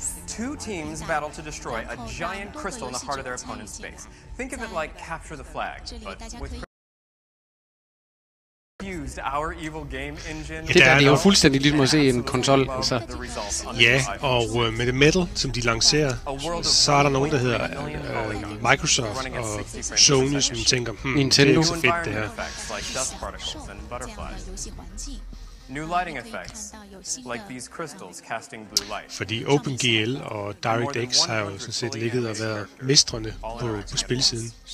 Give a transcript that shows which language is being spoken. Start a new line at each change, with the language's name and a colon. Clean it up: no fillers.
English: Two teams battle to destroy a giant crystal in the heart of their opponent's base. Think of it like capture the flag, but with used our evil game engine.
Danish: Det er jo fuldstændig ligesom at se en konsol, altså. Ja, og med det Metal, som de lancerer, så er der nogen, der hedder Microsoft og Sony, som tænker, Nintendo. Det er ikke så fedt, det her.
English: New lighting effects, like these crystals casting blue light.
Danish: Fordi OpenGL og DirectX har jo sådan set ligget og været mestrene på spilsiden.